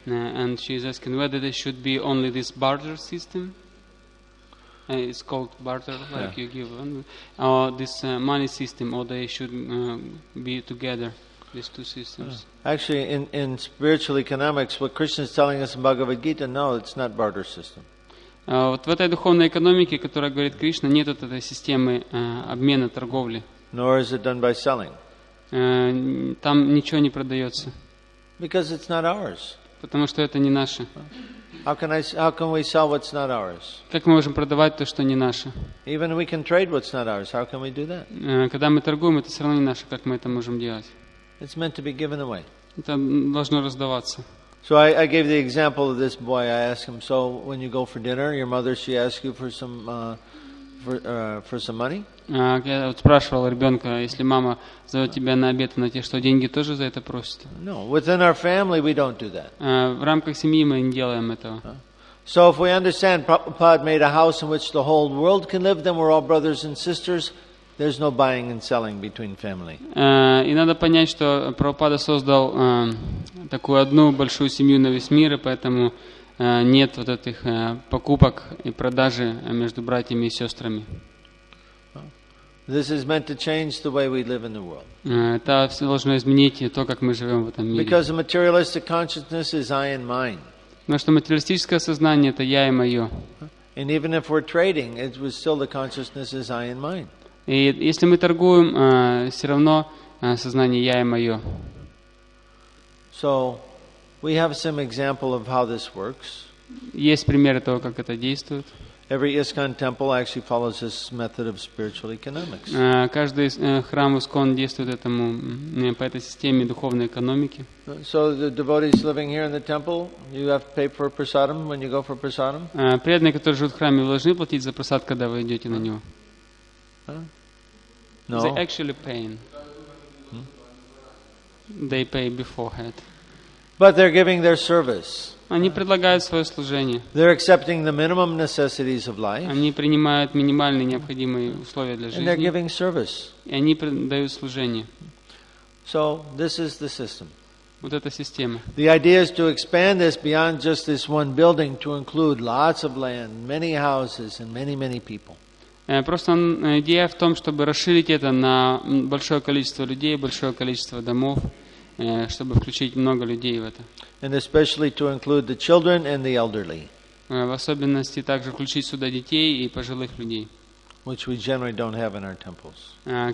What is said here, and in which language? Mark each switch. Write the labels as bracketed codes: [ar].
[en] And she's asking whether there should be only this barter system. It's called barter, like yeah. you give, or this money system, or they should be together, these two systems. Yeah. Actually, in spiritual economics, what Krishna is telling us in Bhagavad Gita, no, it's not barter system. [ru] Вот в этой духовной экономике, которая говорит Кришна, нет вот этой системы обмена торговли. [en] Nor is it done by selling. [ru] Там ничего не продается. [en] Because it's not ours. [ru] Потому что это не наше. [en] How can we sell what's not ours? [ru] Как мы можем продавать то, что не наше? [en] Even we can trade what's not ours. How can we do that? [ru] Когда мы торгуем, это все равно не наше. Как мы это можем делать? [en] It's meant to be given away. [ru] Это должно раздаваться. [en] So I gave the example of this boy. I asked him, so when you go for dinner, your mother, she asks you for some for some money? [ru] Я вот спрашивал ребенка, если мама зовет тебя на обед, она тебе что, деньги тоже за это просит? [en] No, within our family we don't do that. [ru] В рамках семьи мы не делаем этого. [en] So if we understand Prabhupada made a house in which the whole world can live, then we're all brothers and sisters. There's no buying and selling between family. [ru] И надо понять, что Прабхупада создал такую одну большую семью на весь мир, и поэтому нет вот этих покупок и продажи между братьями и сестрами. [en] This is meant to change the way we live in the world. [ru] Это все должно изменить то, как мы живем в этом мире. [en] Because the materialistic consciousness is I and mine. [ru] Потому что материалистическое сознание это я и мое. [en] And even if we're trading, it was still the consciousness is I and mine. [ru] И если мы торгуем, все равно сознание я и мое. [en] So we have some example of how this works. [ru] Есть пример того, как это действует. [en] Every ISKCON temple actually follows this method of spiritual economics. [ru] Каждый храм ISKCON действует этому по этой системе духовной экономики. [en] So the devotees living here in the temple, you have to pay for prasadam when you go for prasadam. [ru] Преданные, которые живут в храме, должны платить за прасад, когда вы идете на него. [en] No. They actually pay. They pay beforehand. But they're giving their service. [ru] Они предлагают свое служение. [en] They're accepting the minimum necessities of life. [ru] Они принимают минимальные необходимые условия для жизни. [en] And they're giving service. [ru] И они дают служение. [en] So this is the system. [ru] Вот эта система. [en] The idea is to expand this beyond just this one building to include lots of land, many houses, and many, many people. [ru] Просто идея в том, чтобы расширить это на большое количество людей, большое количество домов, чтобы включить много людей в это. [en] And especially to include the children and the elderly. [ru] В особенности также включить сюда детей и пожилых людей. [en] Which we generally don't have in our temples.